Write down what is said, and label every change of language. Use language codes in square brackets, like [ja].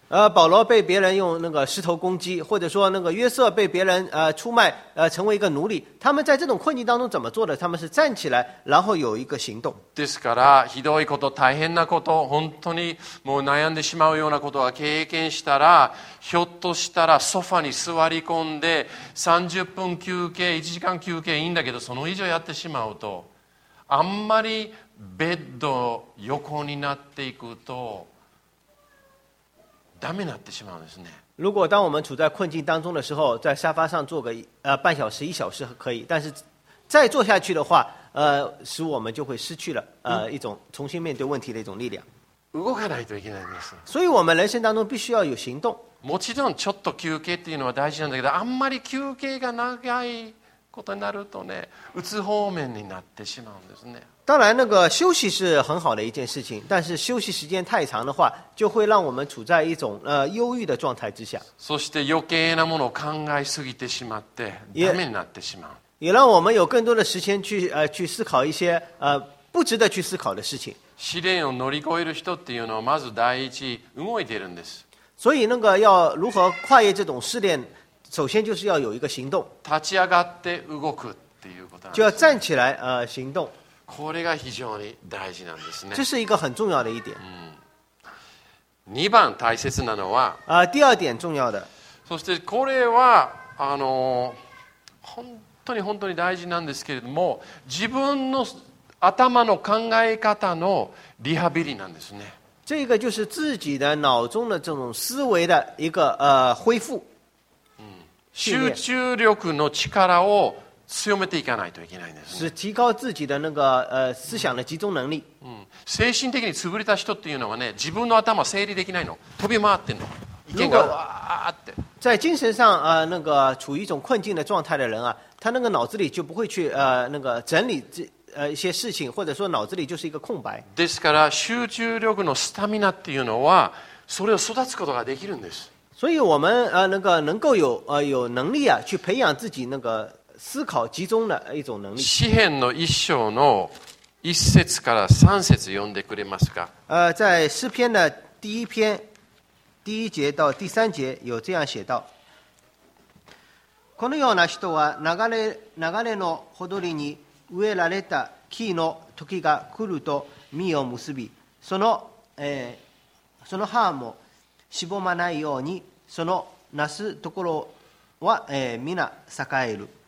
[zh] 保罗被别人用那个石头攻击，或者说那个约瑟被别人出卖，成为一个奴隶。他们在这种困境当中怎么做的？他们是站起来，然后有一个行动。 [ja] ですからひどいこと、大変なこと、本当にもう悩んでしまうようなことが経験したら、ひょっとしたらソファに座り込んで30分休憩、1時間休憩いいんだけど、その以上やってしまうと、あんまりベッド横になっていくと。ダメになってしまうんですね。 [zh] 如果当我们处在困境当中的时候，在沙发上坐个半小时、一小时可以，但是再坐下去的话，使我们就会失去了一种重新面对问题的一种力量。 [ja] 動かないといけないんです。 [zh] 所以我们人生当中必须要有行动。 [ja] もちろんちょっと休憩っていうのは大事なんだけど、あんまり休憩が長いことになるとね、うつ方面になってしまうんですね。 [zh] 当然那个休息是很好的一件事情，但是休息时间太长的话，就会让我们处在一种忧郁的状态之下。 [ja] そして余計なものを考えすぎてしまってダメになってしまう。 [zh] 也让我们有更多的时间去思考一些不值得去思考的事情。 [ja] 試練を乗り越える人っていうのはまず第一動いてるんです。 [zh] 所以那个要如何跨越这种试炼，首先就是要有一个行动。 [ja] 立ち上がって動くっていうことなんです。 [zh] 就要站起来行动。 [ja] これが非常に大事なんですね。 [zh] 这是一个很重要的一点。 [ja] 二番大切なのは、 [zh] 第二点重要的。 [ja] そしてこれは本当に本当に大事なんですけれども、自分の頭の考え方のリハビリなんですね。 [zh] 这个就是自己的脑中的这种思维的一个恢复。 [ja] 集中力の力を強めていかないといけないんですね。 [zh] 是提高自己的那个思想的集中能力。 [ja] 精神的に潰れた人っていうのはね、自分の頭整理できないの、飛び回ってんの、意見がわーって。 [zh] 在精神上那个处于一种困境的状态的人啊，他那个脑子里就不会去那个整理一些事情，或者说脑子里就是一个空白。 [ja] ですから集中力のスタミナっていうのは、それを育つことができるんです。 [zh] 所以我们那个能够有能力啊，去培养自己那个。思考集中的一种能力。 [ja] 詩篇の一章の一節から三節読んでくれますか。 [zh] 在詩篇的第一篇第一节到第三节有这样写道： [ja] このような人は流れのほとりに植えられた木の時が来ると実を結び、その葉もしぼまないように、そのなすところは皆栄える。